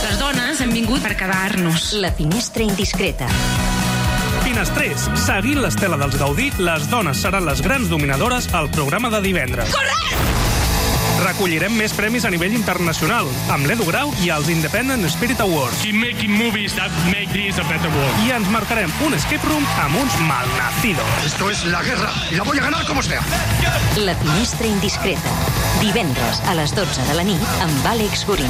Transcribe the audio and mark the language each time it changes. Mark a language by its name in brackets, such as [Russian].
[Catalan] Les dones han vingut per quedar-nos. La finestra indiscreta. Finestrés. Seguint l'estela dels Gaudí, les dones seran les grans dominadores al programa de divendres. Corre! Recollirem més premis a nivell internacional amb l'Edu Grau i els Independent Spirit Awards. [English] Keep making movies that make this a better world. [Catalan] I ens marcarem un escape room amb uns malnacidos. [Spanish] Esto es la guerra y la voy a ganar como sea. [Catalan] La finestra indiscreta. Divendres a les 12 de la nit amb Àlex Burín.